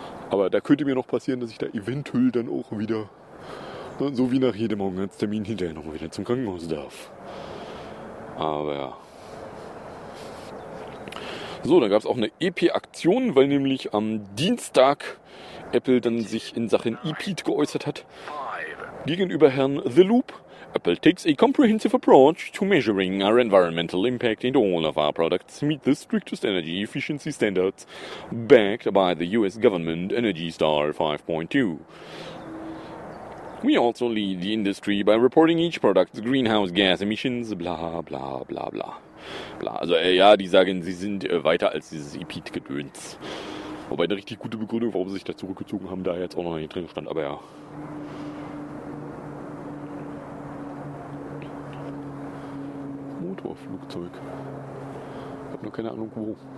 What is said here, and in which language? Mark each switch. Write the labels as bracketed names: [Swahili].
[German] Aber da könnte mir noch passieren, dass ich da eventuell dann auch wieder, so wie nach jedem Augenarzttermin, hinterher nochmal wieder zum Krankenhaus darf. Aber ja. So, dann gab es auch eine EP-Aktion, weil nämlich am Dienstag Apple dann sich in Sachen EPEAT geäußert hat. Gegenüber Herrn The Loop. [English] Apple takes a comprehensive approach to measuring our environmental impact and all of our products meet the strictest energy efficiency standards backed by the US government Energy Star 5.2. We also lead the industry by reporting each product's greenhouse gas emissions, bla bla bla bla. Bla. [German] Also ja, die sagen, sie sind weiter als dieses EPEAT-Gedöns. Wobei eine richtig gute Begründung, warum sie sich da zurückgezogen haben, da jetzt auch noch nicht drin stand, aber ja. Motorflugzeug. Ich hab noch keine Ahnung wo.